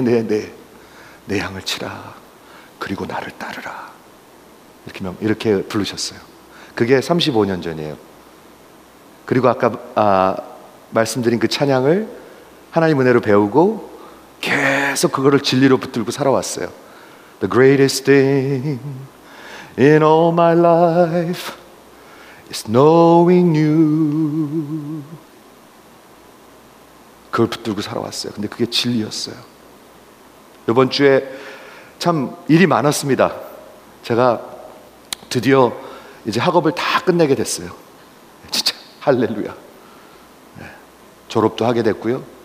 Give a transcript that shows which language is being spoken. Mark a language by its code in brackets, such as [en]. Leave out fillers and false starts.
[ko] 내 양을 치라. 그리고 나를 따르라. 이렇게 부르셨어요. 그게 35년 전이에요. 그리고 아까 말씀드린 그 찬양을 하나님 은혜로 배우고 계속 그거를 진리로 붙들고 살아왔어요. [en] The greatest thing in all my life is knowing you. [ko] 그걸 붙들고 살아왔어요. 근데 그게 진리였어요. 이번 주에 참 일이 많았습니다. 제가 드디어 이제 학업을 다 끝내게 됐어요. 진짜 할렐루야. 졸업도 하게 됐고요.